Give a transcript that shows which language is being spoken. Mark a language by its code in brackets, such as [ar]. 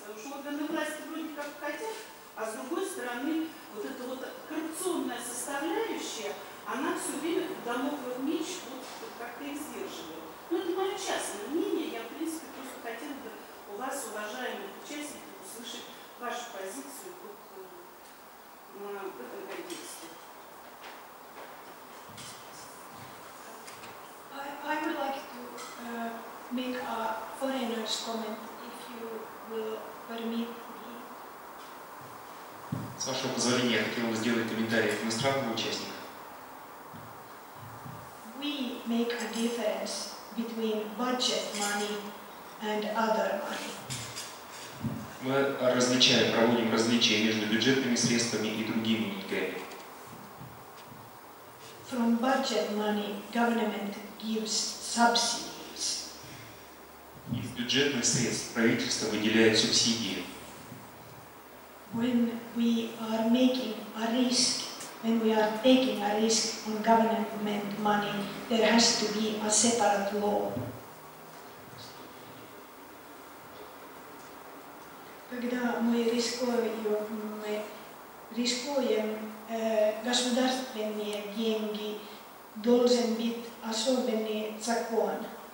[ru] Потому что органы власти вроде как хотят, а с другой стороны, вот эта вот коррупционная составляющая, она все время как дамоклов меч вот как-то их сдерживает. Но это мое частное мнение, я в принципе просто хотела бы у вас, уважаемых участников, услышать вашу позицию вот, в этом контексте. [en] I would like to make a foreigner's comment, if you will permit me. [ru] С вашего позволения, я хотел бы сделать комментарий иностранного участника. [en] We make a difference between budget money and other money. [ru] Мы различаем, проводим различия между бюджетными средствами и другими деньгами. [en] From budget money, government gives subsidies. [ru] Из бюджетных средств правительство выделяет субсидии. [en] When we are making a risk, when we are taking a risk on government money, there has to be a separate law. [ru] Когда мы рискуем государственные деньги, должен быть особенный закон.